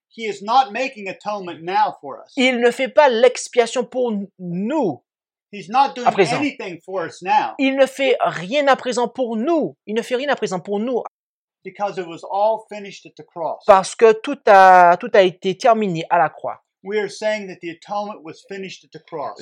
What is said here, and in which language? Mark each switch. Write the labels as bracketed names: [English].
[English] he is not making atonement now for us. [French] Il ne fait pas l'expiation pour nous. [English] He's not doing [French] à présent. [English] Anything for us now. [French] Il ne fait rien à présent pour nous. Il ne fait rien à présent pour nous. [English] Because it was all finished at the cross. [French] Parce que tout a été terminé à la croix. [English] We are saying that the atonement was finished at the cross.